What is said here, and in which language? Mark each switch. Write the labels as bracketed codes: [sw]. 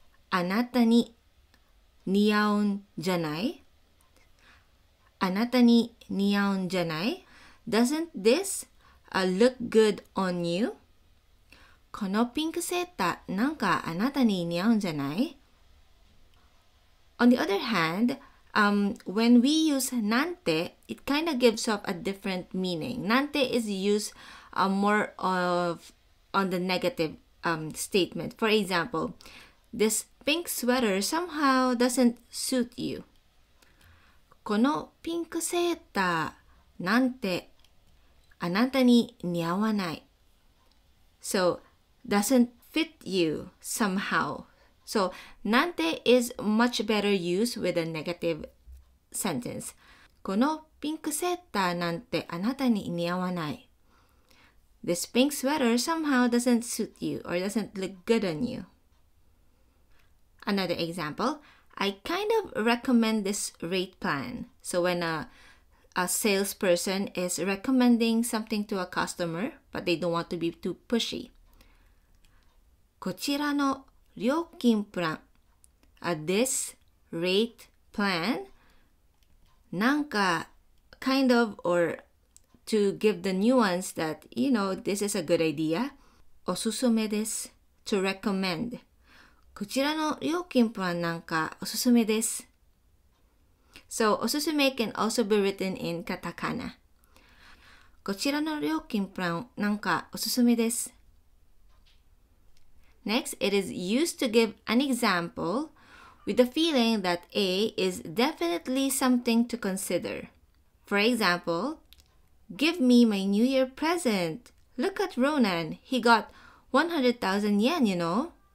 [ja] あなたに似合うんじゃない? あなたに似合うんじゃない? [en] Doesn't this look good on you? [ja] このピンクセーターなんかあなたに似合うんじゃない? [en] On the other hand, when we use なんて, it kind of gives off a different meaning. なんて is used more of on the negative statement. For example, thisPink sweater somehow doesn't suit you. [ja] このピンクセーターなんてあなたに似合わない。 [en] So, doesn't fit you somehow. So, なんて is much better used with a negative sentence. [ja] このピンクセーターなんてあなたに似合わない。 [en] This pink sweater somehow doesn't suit you or doesn't look good on you.Another example, I kind of recommend this rate plan. So when a salesperson is recommending something to a customer, but they don't want to be too pushy. [ja] こちらの料金プラン、 [en] this rate plan, なんか kind of or to give the nuance that, you know, this is a good idea. [ja] おすすめです。 [en] To recommend. [ja] こちらの料金プランなんかおすすめです。 [en] So, おすすめ can also be written in katakana. [ja] こちらの料金プランなんかおすすめです。 [en] Next, it is used to give an example with the feeling that A is definitely something to consider. For example, give me my New Year present. Look at Ronan. He got 100,000 yen, you know.